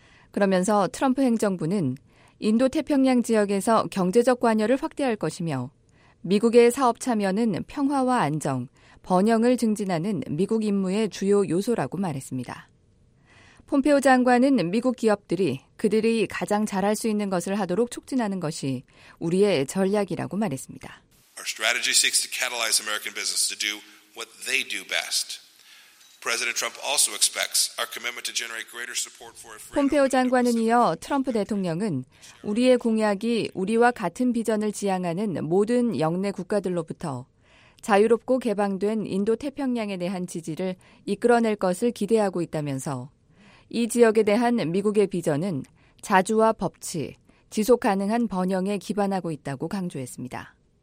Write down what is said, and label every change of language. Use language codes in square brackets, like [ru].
[ko] 그러면서 트럼프 행정부는 인도태평양 지역에서 경제적 관여를 확대할 것이며 미국의 사업 참여는 평화와 안정, 번영을 증진하는 미국 임무의 주요 요소라고 말했습니다. 폼페오 장관은 미국 기업들이 그들이 가장 잘할 수 있는 것을 하도록 촉진하는 것이 우리의 전략이라고 말했습니다. [en] Our strategy seeks to catalyze American business to do what they do best. President Trump also expects our commitment to generate greater support for a free. [ko] 폼페오 장관은 이어 트럼프 대통령은 우리의 공약이 우리와 같은 비전을 지향하는 모든 영내 국가들로부터 자유롭고 개방된 인도 태평양에 대한 지지를 이끌어낼 것을 기대하고 있다면서 이 지역에 대한 미국의 비전은 자주와 법치, 지속 가능한 번영에 기반하고 있다고 강조했습니다.